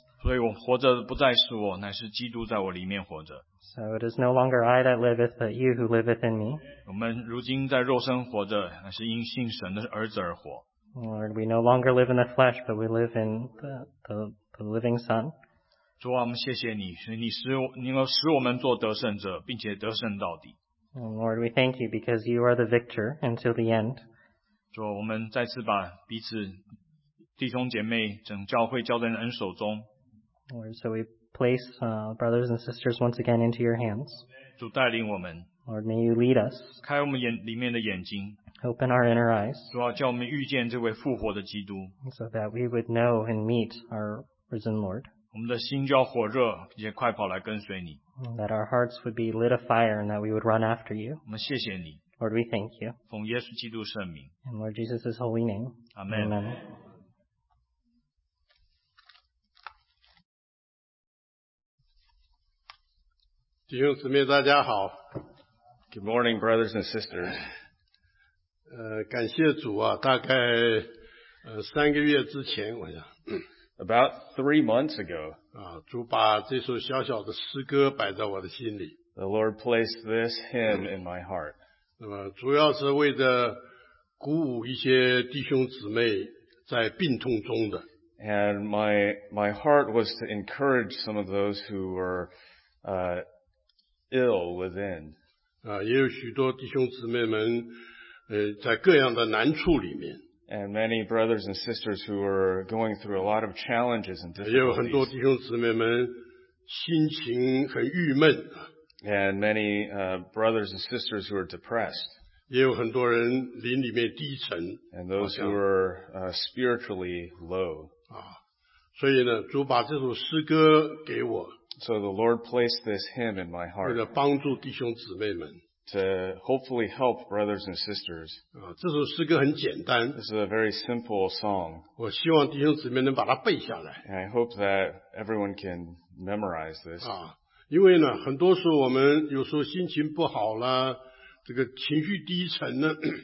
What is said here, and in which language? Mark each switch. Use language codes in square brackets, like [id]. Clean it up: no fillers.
[zh] 所以我活着的不再是我, 乃是基督在我里面活着。 [en] So it is no longer I that liveth, but you who liveth in me. [zh] 我们如今在肉身活着, 乃是因信神的儿子而活。 [en] Lord, we no longer live in the flesh, but we live in the living Son. [zh] 主啊，我们谢谢你，你使我们做得胜者，并且得胜到底。 [en] Lord, we thank you because you are the victor until the end. [zh] 主啊，我们再次把彼此弟兄姐妹整教会交在你的恩手中。 [en] Lord, so we place brothers and sisters once again into your hands. [zh] 主带领我们。 [en] Lord, may you lead us. [zh] 开我们眼里面的眼睛。 [en] Open our inner eyes. [zh] 主啊，叫我们遇见这位复活的基督。 [en] So that we would know and meet our risen Lord. [zh] 我们的心就要火热，并且快跑来跟随你。 [en] That our hearts would be lit afire and that we would run after you. [zh] 我们谢谢你。 [en] Lord, we thank you. [zh] 奉耶稣基督圣名。 [en] In Lord Jesus' holy name. Amen. Amen. Good morning, brothers and sisters. [zh] 感谢主啊，大概三个月之前，我想。 [en] About 3 months ago. [zh] 啊，主把这首小小的诗歌摆在我的心里。 [en] The Lord placed this hymn in my heart. [zh] 那么主要是为着鼓舞一些弟兄姊妹在病痛中的。 [en] And my heart was to encourage some of those who were ill within. [zh] 啊，也有许多弟兄姊妹们。在各样的难处里面。 [en] And many brothers and sisters who are going through a lot of challenges and difficulties. [zh] 也有很多弟兄姊妹们心情很郁闷。 [en] And many brothers and sisters who are depressed. [zh] 也有很多人灵里面低沉。 [en] And those who are spiritually low. [zh] 啊，所以呢，主把这首诗歌给我。 [en] So the Lord placed this hymn in my heart. [zh] 为了帮助弟兄姊妹们。 [en] To hopefully help brothers and sisters. [zh] 这首诗歌很简单。 [en] This is a very simple song. [zh] 我希望弟兄姊妹能把它背下来。 [en] And I hope that everyone can memorize this. [zh] 因为呢，很多时候我们有时候心情不好了，这个情绪低沉呢。